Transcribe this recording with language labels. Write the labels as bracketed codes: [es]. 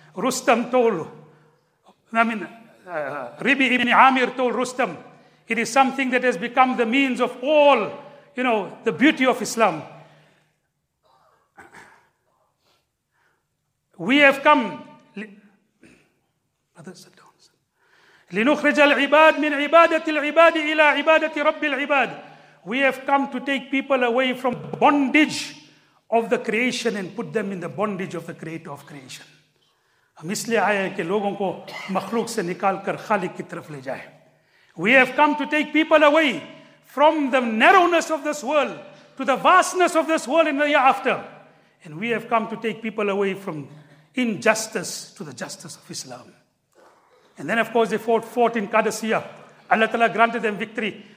[en] Rustam told, I mean, Ribi ibn Amir told Rustam, it is something that has become the means of all, you know, the beauty of Islam. We have come, brothers, sit down. [ar] لنخرج العباد من عبادة العباد إلى عبادة رب العباد. [en] We have come to take people away from bondage of the creation and put them in the bondage of the creator of creation. [ur] ہم اس لئے آئے ہیں کہ لوگوں کو مخلوق سے نکال کر خالق کی طرف لے جائے. [en] We have come to take people away from the narrowness of this world to the vastness of this world in the year after. And we have come to take people away from injustice to the justice of Islam. And then of course they fought in Qadisiyya. Allah Ta'ala granted them victory.